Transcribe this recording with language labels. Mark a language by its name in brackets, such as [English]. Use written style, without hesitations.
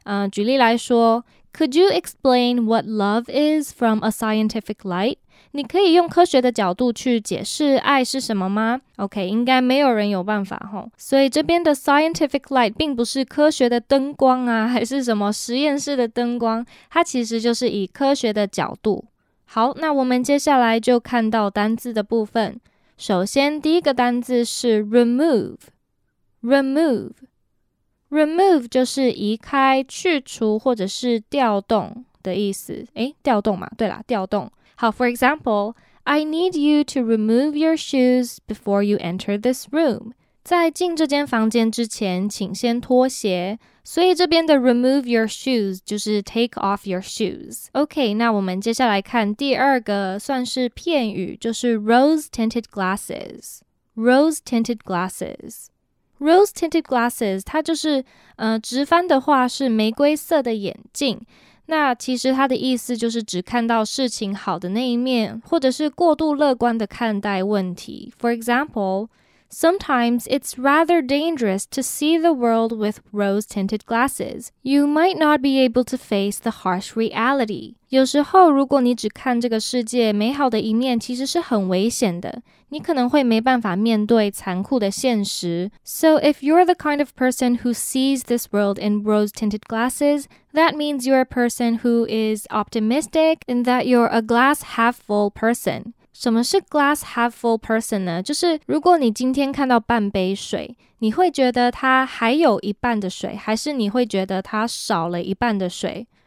[Chinese] 举例来说， [English] Could you explain what love is from a scientific light? [Chinese] 你可以用科学的角度去解释爱是什么吗？ OK， 应该没有人有办法齁。所以这边的 scientific light 并不是科学的灯光啊，还是什么实验室的灯光，它其实就是以科学的角度。好，那我们接下来就看到单字的部分。首先第一个单字是 remove， remove。 Remove 就是移开、去除或者是调动的意思。诶，调动嘛，对啦，调动。 [English] 好， for example, I need you to remove your shoes before you enter this room. [Chinese] 在进这间房间之前，请先脱鞋。所以这边的 [English] remove your shoes [Chinese] 就是 [English] take off your shoes. [Chinese] OK, 那我们接下来看第二个算是片语，就是 rose-tinted glasses. Rose-tinted glassesRose-tinted glasses， 它就是直翻的话是玫瑰色的眼镜。那其实它的意思就是只看到事情好的那一面，或者是过度乐观的看待问题。 [English] For example, Sometimes it's rather dangerous to see the world with rose-tinted glasses. You might not be able to face the harsh reality. [Chinese] 有时候如果你只看这个世界美好的一面其实是很危险的。你可能会没办法面对残酷的现实。 [English] So if you're the kind of person who sees this world in rose-tinted glasses, that means you're a person who is optimistic and that you're a glass half-full person. [Chinese] 什么是 glass half full person 呢？就是如果你今天看到半杯水，你会觉得它还有一半的水，还是你会觉得它少了一半的水？